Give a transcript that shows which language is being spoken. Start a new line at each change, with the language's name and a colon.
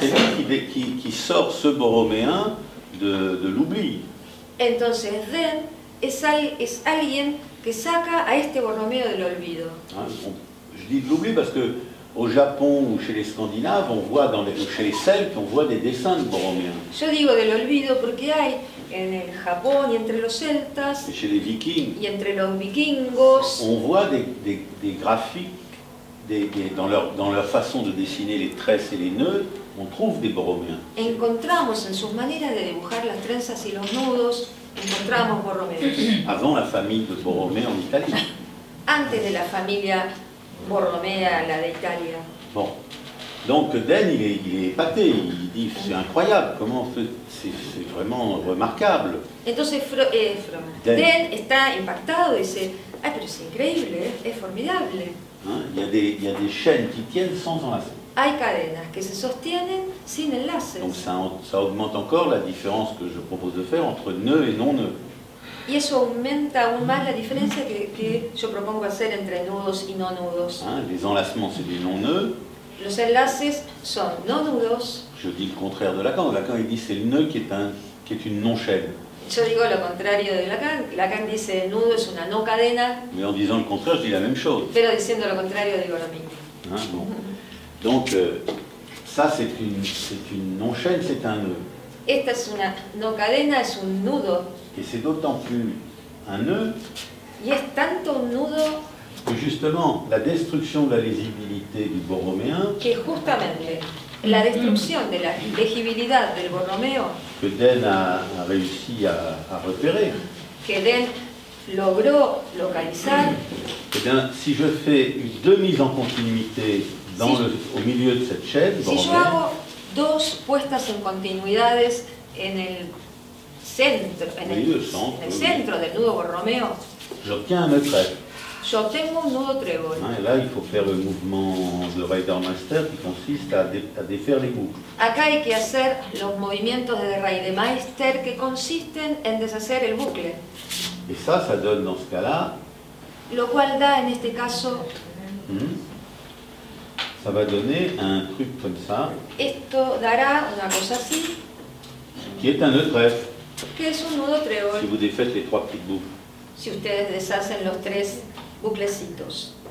French: C'est lui qui sort ce borroméen de l'oubli.
Spanish: Entonces Dehn es alguien que saca a este borromeo del olvido.
French: Hein, je dis de l'oubli parce que au Japon ou chez les Scandinaves, on voit dans les, chez les Celtes, on voit des dessins de Boromir.
Spanish: Je digo del olvido porque hay en el Japón y entre los Celtas.
French: Et chez les Vikings.
Spanish: Y entre los vikingos.
French: On voit des graphiques, dans leur façon de dessiner les tresses et les nœuds, on trouve des Boromir.
Spanish: Encontramos en sus maneras de dibujar las trenzas y los nudos, encontramos Boromir.
French: Avant la famille de Boromir en Italie.
Spanish: Antes de la familia Borromea, la de Italia.
French: Bon. Donc Den, il est épaté, il dit c'est incroyable, comment c'est vraiment remarquable.
Spanish: Entonces Den está impactado y dice, ah, pero es increíble, es formidable.
French: Hein, il y a des chaînes qui tiennent sans enlacer.
Spanish: Hay cadenas que se sostienen sin enlaces.
French: Donc ça augmente encore la différence que je propose de faire entre nœud et non-nœud.
Spanish: Y eso aumenta aún más la diferencia que yo propongo hacer entre nudos y no nudos.
French: Hein, les enlacements, c'est des non nœuds.
Spanish: Los enlaces son no nudos.
French: Je dis le contraire de Lacan. Lacan il dit c'est le nœud qui est une non chaîne.
Spanish: Yo digo lo contrario de Lacan. Lacan dice el nudo es una no cadena.
French: Mais en disant le contraire, je dis la même chose.
Spanish: Pero diciendo lo contrario digo lo mismo.
French: Hein, bon. Donc ça c'est une non chaîne, c'est un nœud.
Spanish: Esta es una no cadena, es un nudo.
French: Et c'est d'autant plus un nœud.
Spanish: Y es tanto un nudo.
French: Que justement la destruction de la lisibilité du borroméen.
Spanish: Que justamente la destrucción de la legibilidad del borromeo.
French: Que Den a réussi à repérer.
Spanish: Que Den logró localizar.
French: Et bien, si je fais une deux mises en continuité dans au milieu de cette chaîne.
Spanish: Si borromeo, yo hago dos puestas en continuidades en el centro, en el centro del nudo borromeo.
French: J'obtiens un nœud trèfle. J'obtiens
Spanish: un nudo trébol.
French: Et là, il faut faire le mouvement de Rider-Meister qui consiste à défaire les boucles.
Spanish: Acá hay que hacer los movimientos de Rider-Meister que consisten en deshacer el bucle.
French: Et ça, ça donne dans ce cas-là.
Spanish: Lo cual da en este caso.
French: Ça va donner un truc comme ça.
Spanish: Esto dará una cosa así.
French: Qui est un nœud trèfle.
Spanish: Que es un nudo trébol.
French: Si vous défaites les trois petites boucles.
Spanish: Si ustedes deshacen los tres buclecitos.